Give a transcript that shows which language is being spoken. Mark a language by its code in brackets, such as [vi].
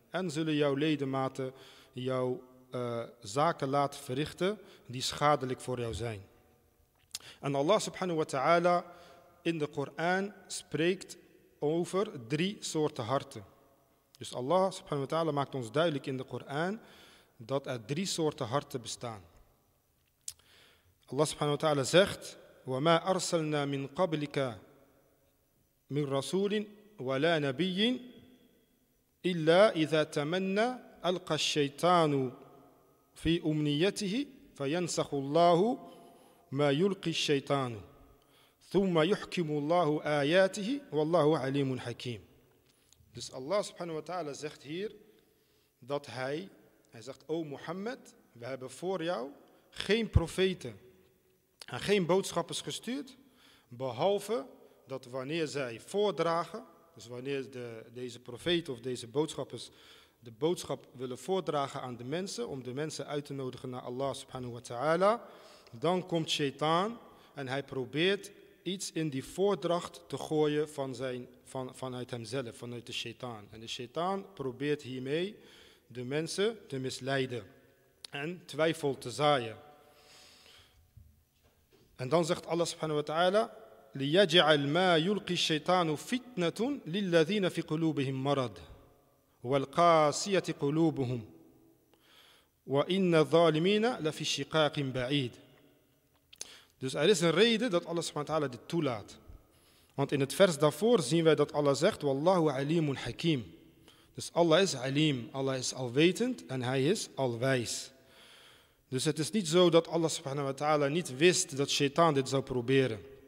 [nl] En zullen jouw ledematen jouw zaken laten verrichten die schadelijk voor jou zijn. En Allah subhanahu wa ta'ala in de Koran spreekt over drie soorten harten. Dus Allah subhanahu wa ta'ala maakt ons duidelijk in de Koran dat er drie soorten harten bestaan. [ar] Allah subhanahu wa ta'ala zegt: وَمَا أَرْسَلْنَا مِنْ قَبْلِكَ مِنْ رَسُولٍ وَلَا نَبِيٍ إِلَّا إِذَا تَمَنَّى أَلْقَى الشَّيْطَانُ فِي أُمْنِيَتِهِ فَيَنْسَخُ اللَّهُ مَا يُلْقِي الشَّيْطَانُ ثُمَّ يُحْكِمُ اللَّهُ آيَاتِهِ وَاللَّهُ عَلِيمٌ حَكِيمٌ. [nl] Dus Allah subhanahu wa ta'ala zegt hier dat hij zegt: O Mohammed, we hebben voor jou geen profeten en geen boodschappers gestuurd, behalve dat wanneer zij voordragen, dus wanneer deze profeten of deze boodschappers de boodschap willen voordragen aan de mensen, om de mensen uit te nodigen naar Allah subhanahu wa ta'ala, dan komt shaitaan en hij probeert iets in die voordracht te gooien vanuit hemzelf, vanuit de shaitaan. En de shaitaan probeert hiermee de mensen te misleiden en twijfel te zaaien. [ar] En dan zegt Allah subhanahu wa ta'ala: لِيَجْعَلْ مَا يُلْقِي الشَّيْطَانُ فِتْنَةٌ لِلَّذِينَ فِي قُلُوبِهِمْ مَرَضٌ وَالْقَاسِيَةِ قُلُوبُهُمْ وَإِنَّ الظَّالِمِينَ لَفِي شِقَاقٍ بَعِيدٍ. [nl] Dus er is een reden dat Allah subhanahu wa ta'ala dit toelaat. Want in het vers daarvoor zien wij dat Allah zegt: [ar] Wallahu alimun hakim. [nl] Dus Allah is alim, Allah is alwetend en hij is alwijs. Dus het is niet zo dat Allah subhanahu wa ta'ala niet wist dat shaitaan dit zou proberen.